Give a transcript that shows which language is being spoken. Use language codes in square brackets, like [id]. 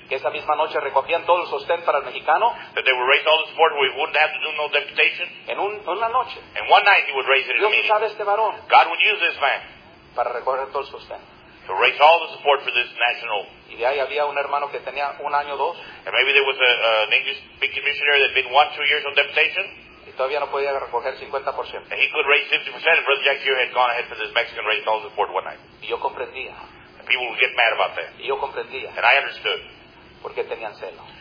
[es] Que esa misma noche recogían todo el sostén para el mexicano. [en] That they would raise all the support, we wouldn't have to do no deputation. [es] En una noche. [en] And one night he would raise it. [es] Dios usaba este varón. [en] God would use this man. [es] Para recoger todo el sostén. [en] To raise all the support for this national. [es] Y de ahí había un hermano que tenía un año o dos. [en] And maybe there was an English-speaking missionary that had been 1-2 years on deputation. [es] Y todavía no podía recoger 50%. [en] And he could raise 50%. And Brother Jack here had gone ahead for this Mexican, raised all the support one night. [es] Y yo comprendía. [en] And people would get mad about that. [es] Y yo comprendía. [en] And I understood. [es] Porque tenían celo.